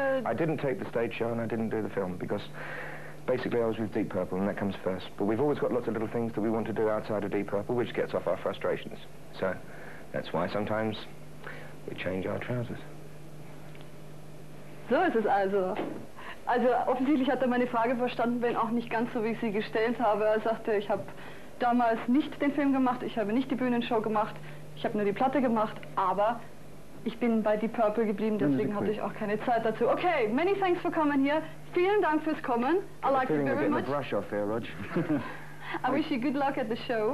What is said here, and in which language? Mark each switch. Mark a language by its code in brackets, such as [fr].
[en] I didn't take the stage show and I didn't do the film because... Basically, I was with Deep Purple, and that comes first. But we've always got lots of little things that we want to do outside of Deep Purple, which gets off our frustrations. So that's why sometimes we change our trousers. [de] So ist es also. Also offensichtlich hat er meine Frage verstanden, wenn auch nicht ganz so, wie ich sie gestellt habe. Er sagte, ich habe damals nicht den Film gemacht, ich habe nicht die Bühnenshow gemacht, ich habe nur die Platte gemacht, aber ich bin bei Deep Purple geblieben, deswegen hatte ich auch keine Zeit dazu. [en] Okay, many thanks for coming here. [de] Vielen Dank fürs Kommen. [en] I like it very much. I'm feeling a bit of a brush off here, Rog. I wish you good luck at the show.